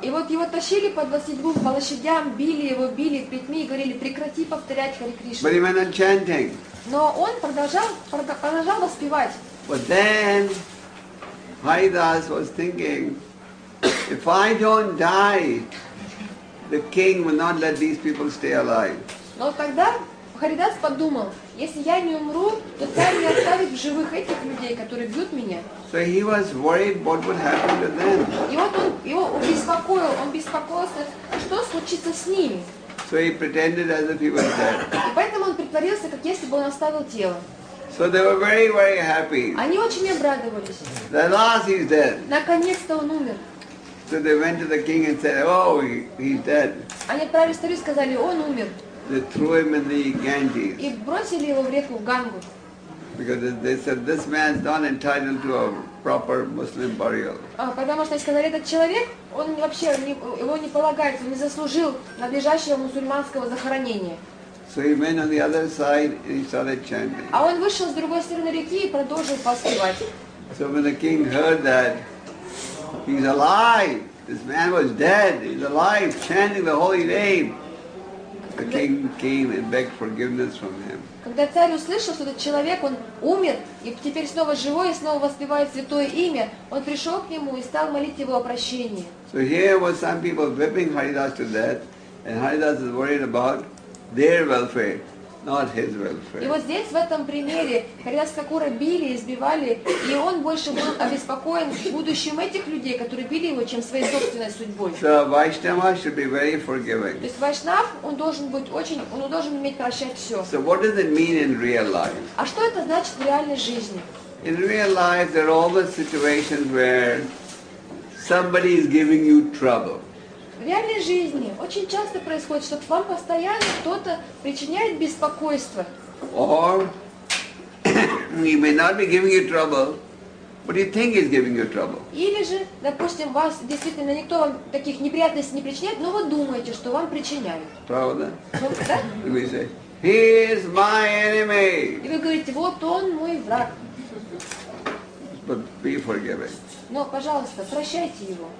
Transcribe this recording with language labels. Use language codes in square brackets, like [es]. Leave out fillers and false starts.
[ru] И вот его тащили по 22 площадям, били его, били плетьми и говорили, прекрати повторять Hare Krishna. [en] But he went on chanting. [ru] Но он продолжал воспевать. [en] But then, Haridas was thinking, if I don't die, the king will not let these people stay alive. [ru] Но тогда Харидас подумал, если я не умру, то царь не оставит в живых этих людей, которые бьют меня. [en] So he was worried what would happen to them. [ru] И вот он его беспокоился, что случится с ними. [en] So he pretended as if he was dead. [ru] И поэтому он притворился, как если бы он оставил тело. [en] So they were very, very happy. [ru] Они очень обрадовались. [en] At last he's dead. [ru] Наконец-то он умер. [en] So they went to the king and said, "Oh, he's dead." [ru] Они отправились царю и сказали, он умер. [en] They threw him in the Ganges. [ru] И бросили его в реку Гангу. [en] Because they said this man's not entitled to a proper Muslim burial. [ru] А потому что сказали, этот человек, он вообще его не полагается, не заслужил надлежащего мусульманского захоронения. [en] So he went on the other side and he started chanting. [ru] А он вышел с другой стороны реки и продолжил поспевать. [en] So when the king heard that. He's alive. This man was dead. He's alive, chanting the holy name. The king came and begged forgiveness from him. [ru] Когда царь услышал, что этот человек он умер и теперь снова живой и снова воспевает святое имя, он пришел к нему и стал молить его о прощении. [en] So here was some people whipping Haridas to death, and Haridas is worried about their welfare, not his welfare. [ru] И вот здесь в этом примере Haridas Thakura били, избивали, и он больше был обеспокоен будущим этих людей, которые били его, чем своей собственной судьбой. [en] So Vaishnava should be very forgiving. [ru] То есть Вайшнав, он должен быть очень, он должен уметь прощать все. [en] So what does it mean in real life? [ru] А что это значит в реальной жизни? [en] In real life, there are always situations where somebody is giving you trouble. [ru] В реальной жизни очень часто происходит, что к вам постоянно кто-то причиняет беспокойство. [en] Or he may not be giving you trouble, but you think he's giving you trouble. [ru] Или же, допустим, вас действительно никто вам таких неприятностей не причиняет, но вы думаете, что вам причиняют. Правда? Да. [en] You say, he is my enemy. [ru] И вы говорите, вот он мой враг. [en] But be forgiving. [ru] Но, пожалуйста, прощайте его.